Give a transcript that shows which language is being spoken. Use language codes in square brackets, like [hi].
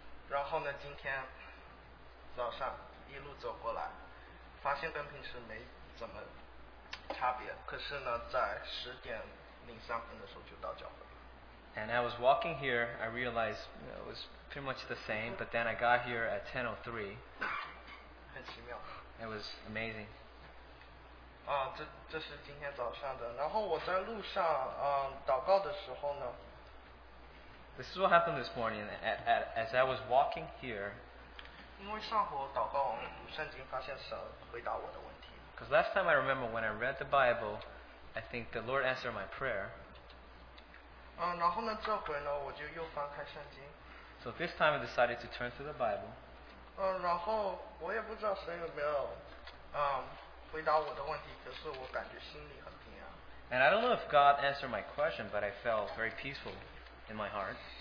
[zh] 然后呢，今天早上一路走过来，发现跟平时没怎么差别，可是呢，在10:03的时候就到教会。 [en] And I was walking here, I realized it was pretty much the same, but then I got here at 10:03. [zh] 很奇妙。 [en] It was amazing. [zh] 这是今天早上的。然后我在路上祷告的时候呢。 [en] This is what happened this morning. As I was walking here. [zh] 因为上回我祷告，圣经发现神回答我的问题。 [en] Because last time I remember when I read the Bible, I think the Lord answered my prayer. [zh] 然后呢，这回呢，我就又翻开圣经。 [en] So this time I decided to turn to the Bible. [zh] 然后我也不知道神有没有，回答我的问题，可是我感觉心里很平安。 [en] And I don't know if God answered my question, but I felt very peaceful in my heart.